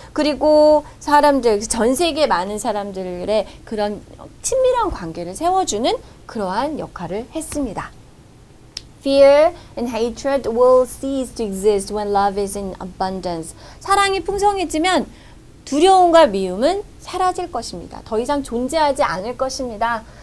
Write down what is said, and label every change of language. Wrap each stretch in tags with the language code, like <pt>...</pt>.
<ko>그리고 사람들 전 세계 많은 사람들의 그런 친밀한 관계를 세워주는 그러한 역할을 했습니다.</ko> <en>Fear and hatred will cease to exist when love is in abundance.</en> <ko>사랑이 풍성해지면 두려움과 미움은 사라질 것입니다. 더 이상 존재하지 않을 것입니다.</ko>